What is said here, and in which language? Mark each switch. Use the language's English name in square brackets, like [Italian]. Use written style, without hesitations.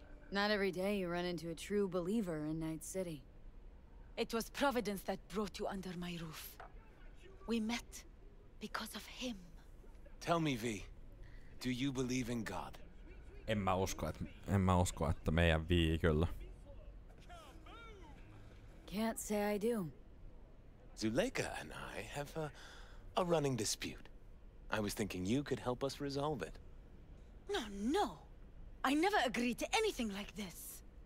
[English] Not every day you run into a true believer in Night City. It was Providence that brought you under my roof. We met because of him. Tell me, V, do you believe in God? [Finnish] En mä usko, että meidän vii kyllä. [English] Can't say I do. Zuleika and I have a running dispute. I was thinking you could help us resolve it. No. I never agreed to anything like this.